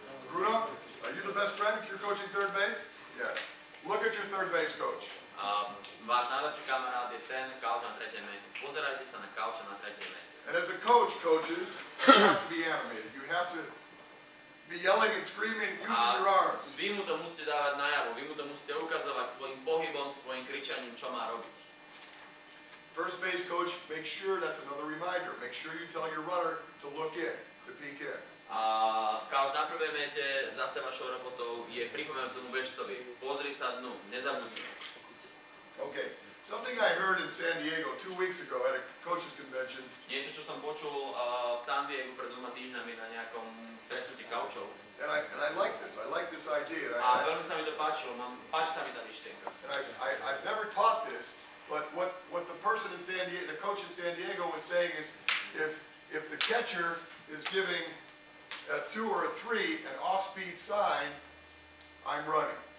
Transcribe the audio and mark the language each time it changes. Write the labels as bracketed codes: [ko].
[en] Bruno, are you the best friend if you're coaching third base? Yes. Look at your third base coach. [sk] Váš najlepší kamarát je ten kauč na tretej mete. Pozerajte sa na kauča na tretej mete. [en] And as a coach coaches, you have to be animated. You have to be yelling and screaming using your arms. [sk] Vy mu to musíte dávať najavo. Vy mu to musíte ukazovať svojim pohybom, svojim kričaním, čo má robiť. [en] First base coach, make sure, that's another reminder, make sure you tell your runner to look in, to peek in. [sk] A Kaoš na prvé mete zase vašou robotou je pripomenúť tomu bežcovi. Pozri sa dnu, nezabudni. [en] Okay. Something I heard in San Diego 2 weeks ago at a coaches convention. [sk] Niečo, čo som počul v San Diego pred 2 týždňami na nejakom stretnutí coachov. [en] And I like this idea. [sk] Veľmi sa mi to páčilo. Páči sa mi tá myšlienka. [en] I've never taught this, but what the person in San Diego, the coach in San Diego was saying is if the catcher is giving a 2 or a 3 an off-speed sign, I'm running.